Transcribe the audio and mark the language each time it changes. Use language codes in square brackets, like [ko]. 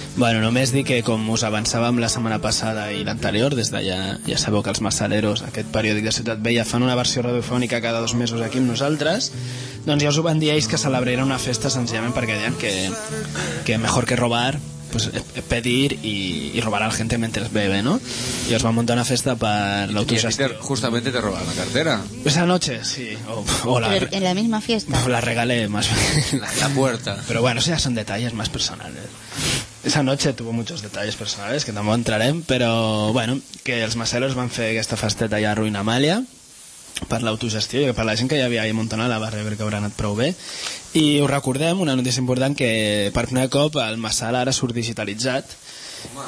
[ca] Bueno, només dir que com us avançàvem la setmana passada i l'anterior, des d'allà ja sabeu que els Massaleros, aquest periòdic de Ciutat Vella, fan una versió radiofònica cada dos mesos aquí amb nosaltres, doncs ja us ho van dir ells que celebraran una festa senzillament perquè deien que [es] mejor que robar, pues pedir y robar a la gente mientras bebe, [ca] ¿no? [es] Y os va a montar una fiesta para la autogestión. Justamente te robaron la cartera. Esa noche, sí. En la misma fiesta. La regalé más. La puerta. Pero bueno, eso ya son detalles más personales. Esa noche tuvo muchos detalles personales que tampoco [ca] entrarem, pero bueno, que els maceros van fer aquesta festeta allà a Ruina Amàlia per l'autogestió, per la gent que ja havia ahir muntant a la barra, perquè haurà anat prou bé. I us recordem una notícia important, que per primer cop el Massal ara surt digitalitzat. Home.